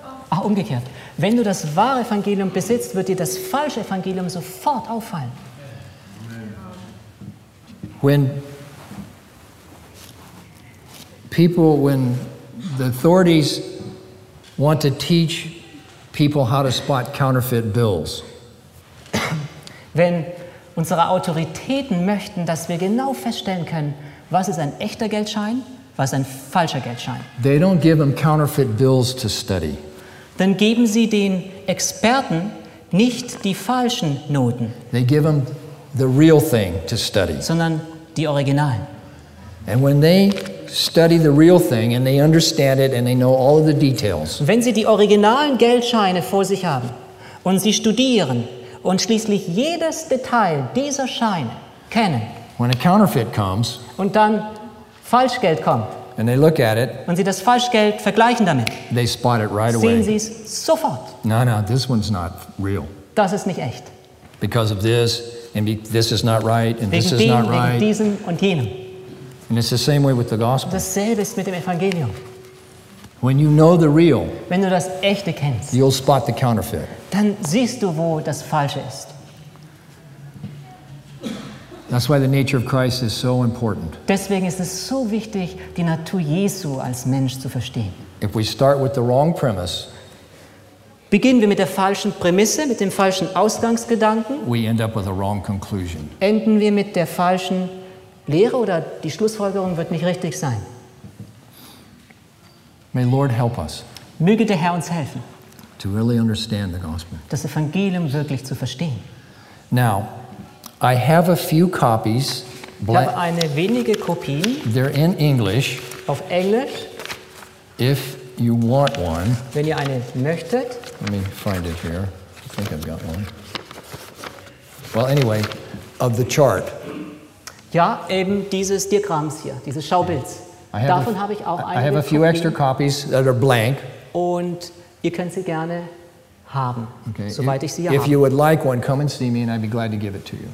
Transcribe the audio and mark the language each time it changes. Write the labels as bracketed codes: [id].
[de] Ach, umgekehrt. Wenn du das wahre Evangelium besitzt, wird dir das falsche Evangelium sofort auffallen. [en] When the authorities want to teach people how to spot counterfeit bills. [de] Wenn unsere Autoritäten möchten, dass wir genau feststellen können, was ist ein echter Geldschein, was ein falscher Geldschein. [en] They don't give them counterfeit bills to study. [de] Dann geben sie den Experten nicht die falschen Noten. [en] They give them the real thing to study. [de] Sondern die Originalen. [en] And when they study the real thing and they understand it and they know all of the details. [de] Wenn sie die originalen Geldscheine vor sich haben und sie studieren und schließlich jedes Detail dieser Scheine kennen. [en] When a counterfeit comes. [de] Und dann Falschgeld kommt. [en] And they look at it. [de] Und sie das Falschgeld vergleichen damit. [en] They spot it right away. [de] Sehen sie es sofort. [en] No, this one's not real. [de] Das ist nicht echt. [en] Because of this and this is not right and this is [de] dem, [en] not right. [de] Wegen diesem und jenem. [en] And it's the same way with the gospel. [de] Dasselbe ist mit dem Evangelium. [en] When you know the real, [de] wenn du das Echte kennst, [en] you'll spot the counterfeit. [de] Dann siehst du, wo das Falsche ist. [en] That's why the nature of Christ is so important. [de] Deswegen ist es so wichtig, die Natur Jesu als Mensch zu verstehen. [en] If we start with the wrong premise, [de] beginnen wir mit der falschen Prämisse, mit dem falschen Ausgangsgedanken, [en] we end up with a wrong conclusion. [de] Enden wir mit der falschen Lehre oder die Schlussfolgerung wird nicht richtig sein. [en] May Lord help us. [de] Möge der Herr uns helfen. [en] To really understand the gospel. [de] Das Evangelium wirklich zu verstehen. [en] Now, I have a few copies. [de] Ich habe eine wenige Kopien. [en] They're in English. [de] Auf Englisch. [en] If you want one. [de] Wenn ihr eine möchtet. [en] Let me find it here. I think I've got one. Well, anyway, of the chart. [de] Ja, eben dieses Diagramms hier, dieses Schaubilds. Davon habe ich auch einige. [en] I have a few extra copies that are blank. [de] Und ihr könnt sie gerne haben, okay. Soweit ich sie habe. [en] If you would like one, come and see me and I'd be glad to give it to you.